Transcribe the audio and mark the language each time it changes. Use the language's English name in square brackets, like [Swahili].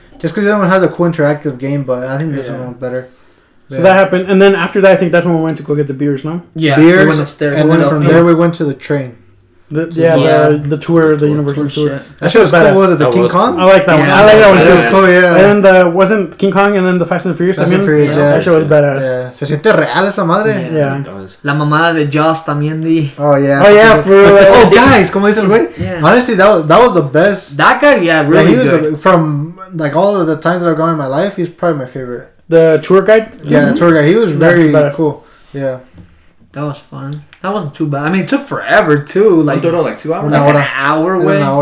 [English] Just because that one had a cool interactive game, but I think this one was better. So that happened. And then after that, I think that's when we went to go get the beers, no? Yeah, beers, we went upstairs. And then from there, we went to the train. The Universal tour. That shit was cool. Was it the King Kong? I like that one. I like that one. It was cool, yeah. And wasn't King Kong and then the Fast and the Furious? Fast and Furious, yeah. That shit was badass. [Spanish] Yeah. Se siente real esa madre. [English] Yeah. [Spanish] La mamada de Jaws también. [English] Oh, yeah. For real. [Spanish] Oh, guys, como dice el güey? [English] Yeah. Honestly, that was the best. That guy, yeah, really. Yeah, he was good. From like all of the times that I've gone in my life, he's probably my favorite. The tour guide? Yeah, the tour guide. He was very cool. Yeah. That was fun. That wasn't too bad. I mean, it took forever, too. Like, total, like 2 hours? Like an hour way.